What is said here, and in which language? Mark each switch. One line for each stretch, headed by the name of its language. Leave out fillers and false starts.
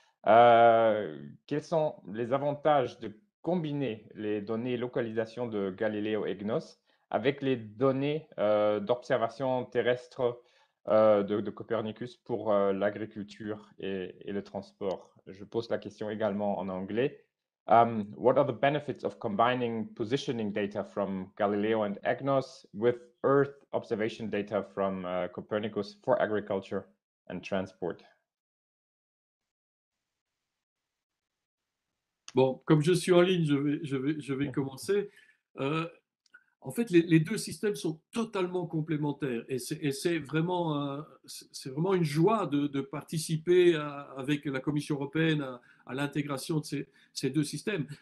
French: Quels sont les avantages de combiner les données localisation de Galileo et GNOS avec les données d'observation terrestre de Copernicus pour l'agriculture et le transport? Je pose la question également en anglais.
English: What are the benefits of combining positioning data from Galileo and EGNOS with Earth observation data from Copernicus for agriculture and transport?
French: Bon, comme je suis en ligne, je vais commencer. En fait, les deux systèmes sont totalement complémentaires et c'est vraiment une joie de participer avec la Commission européenne à l'intégration de ces deux systèmes.